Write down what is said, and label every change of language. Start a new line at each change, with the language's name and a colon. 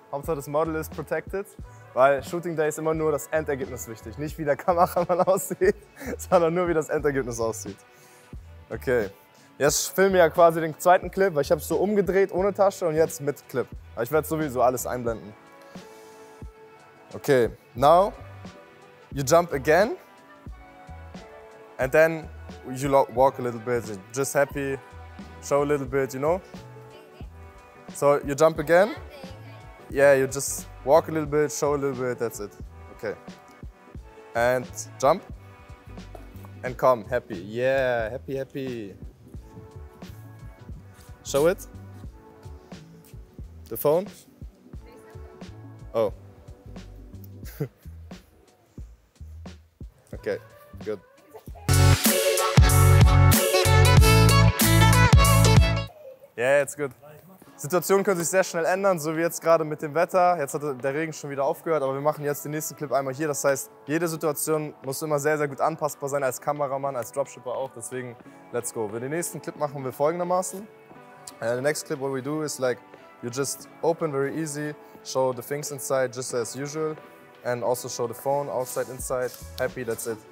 German: Hauptsache, das Model ist protected, weil Shooting Day ist immer nur das Endergebnis wichtig. Nicht wie der Kameramann aussieht, sondern nur wie das Endergebnis aussieht. Okay, jetzt filme ich ja quasi den zweiten Clip, weil ich habe es so umgedreht ohne Tasche und jetzt mit Clip. Aber ich werde sowieso alles einblenden.
English: Okay, now you jump again and then you walk a little bit, just happy, show a little bit, you know? So you jump again? Yeah, you just walk a little bit, show a little bit, that's it. Okay. And jump. And come, happy. Yeah, happy, happy. Show it. The phone. Oh. Okay, good. Yeah, it's good.
German: Situation können sich sehr schnell ändern, so wie jetzt gerade mit dem Wetter. Jetzt hat der Regen schon wieder aufgehört, aber wir machen jetzt den nächsten Clip einmal hier. Das heißt, jede Situation muss immer sehr, sehr gut anpassbar sein, als Kameramann, als Dropshipper auch. Deswegen,
English: let's go.
German: Den nächsten Clip machen wir folgendermaßen.
English: The next clip, what we do is like, you just open very easy, show the things inside just as usual and also show the phone outside, inside, happy, that's it.